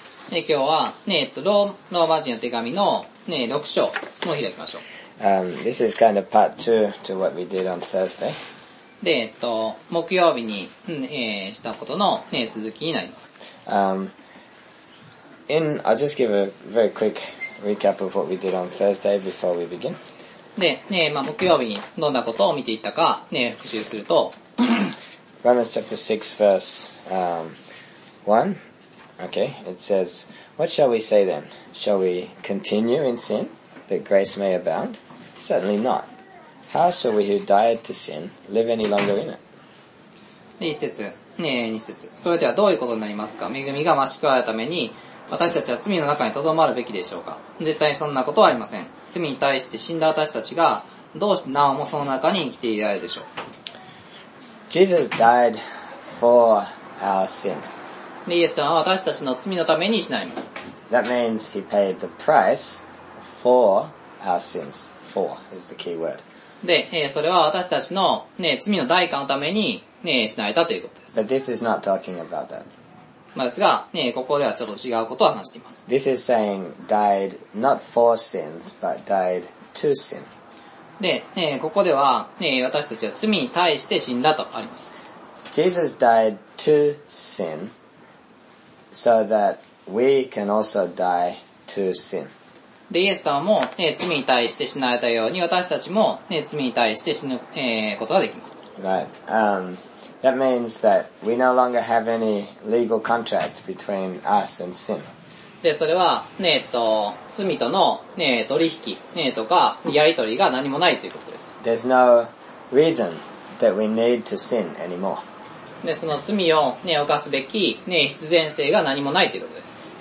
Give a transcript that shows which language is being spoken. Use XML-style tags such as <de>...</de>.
<ja>今日は、ローマ人の手紙の、6章を開きましょう。</ja> <en>This is kind of part 2 to what we did on Thursday.</en> <ja>で、木曜日に、したことの、続きになります。</ja> <en>I'll just give a very quick recap of what we did on Thursday before we begin.</en> <ja>で、木曜日にどんなことを見ていったか、復習すると、</ja> <en>Romans chapter 6 verse 1. Okay, it says, What shall we say then? Shall we continue in sin that grace may abound? Certainly not. How shall we who died to sin live any longer in it?</en> <ja>1節。それではどういうことになりますか？恵みが増し加えるために私たちは罪の中にとどまるべきでしょうか？絶対そんなことはありません。罪に対して死んだ私たちがどうしてなおもその中に生きていられるでしょう？</ja> <en>Jesus died for our sins.</en> <ja>イエス様は私たちの罪のために死なれました。</ja> <en>That means he paid the price for our sins. For is the key word.</en> <ja>で、それは私たちの、罪の代価のために、死なれたということです。</ja> <en>But this is not talking about that.</en> <ja>ですが、ここではちょっと違うことを話しています。</ja> <en>This is saying died not for sins, but died to sin.</en> <ja>で、ここでは、私たちは罪に対して死んだとあります。</ja> <en>Jesus died to sin so that we can also die to sin.</en> <ja>で、イエス様も、罪に対して死なれたように私たちも、罪に対して死ぬ、ことができます。</ja> <en>Right. That means that we no longer have any legal contract between us and sin.</en> <ja>で、それは、罪との、取引、とか、やりとりが何もないということです。</ja> <en>There's no reason that we need to sin anymore.</en> <ja>で、その罪を、犯すべき、必然性が何もないということです。</ja>